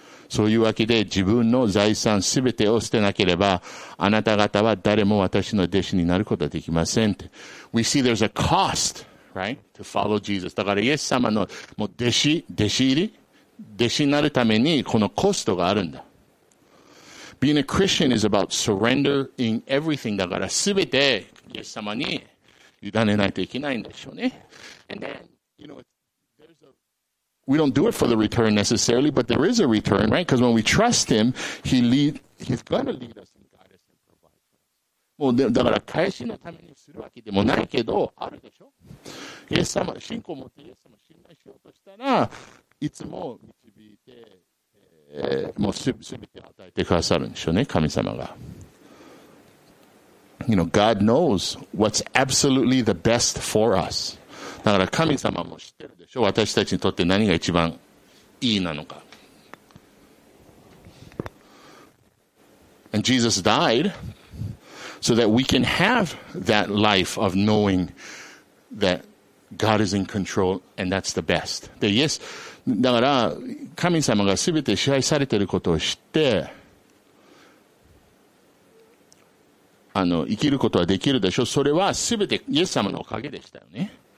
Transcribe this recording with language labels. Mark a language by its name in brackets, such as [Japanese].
[Japanese] そういうわけで自分の財産すべてを捨てなければ、あなた方は誰も私の弟子になることはできませんって。 [English] We see there's a cost, right, to follow Jesus. [Japanese] だからイエス様のもう弟子入り、弟子になるためにこのコストがあるんだ。 [English] Being a Christian is about surrender in everything. [Japanese] だからすべてイエス様に委ねないといけないんでしょうね。 [English] And then, you know, we don't do it for the return necessarily, but there is a return, right? Because when we trust him, he's going to lead us and guide us and provide for us. [Japanese] もうだから返しのためにするわけでもないけど、あるでしょ。イエス様、信仰を持ってイエス様を信頼しようとしたら、いつも導いて、もうすべてを与えてくださるんでしょうね、神様が。 [English] You know, God knows what's absolutely the best for us. [Japanese] だから神様も知ってるでしょ。私たちにとって何が一番いいなのか。 [English] And Jesus died so that we can have that life of knowing that God is in control and that's the best. [Japanese] で、イエス、だから神様が全て支配されていることを知って、生きることはできるでしょう。それはすべてイエス様のおかげでしたよね。